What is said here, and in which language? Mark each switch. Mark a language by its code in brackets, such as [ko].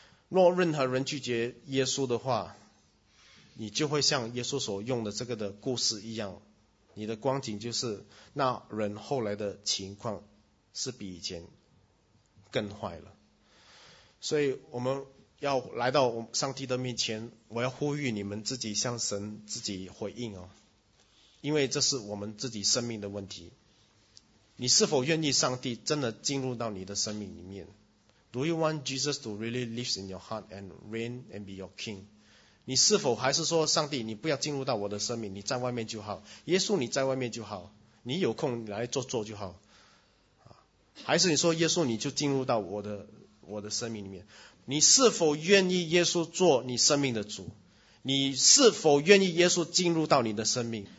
[zh] 若任何人拒绝耶稣的话，你就会像耶稣所用的这个的故事一样，你的光景就是那人后来的情况是比以前更坏了。所以我们要来到上帝的面前，我要呼吁你们自己向神自己回应哦，因为这是我们自己生命的问题。你是否愿意上帝真的进入到你的生命里面？ [en] Do you want Jesus to really live in your heart and reign and be your king? [zh] 你是否还是说，上帝你不要进入到我的生命，你在外面就好，耶稣你在外面就好，你有空来做就好，还是你说耶稣你就进入到我的生命里面？你是否愿意耶稣做你生命的主？你是否愿意耶稣进入到你的生命？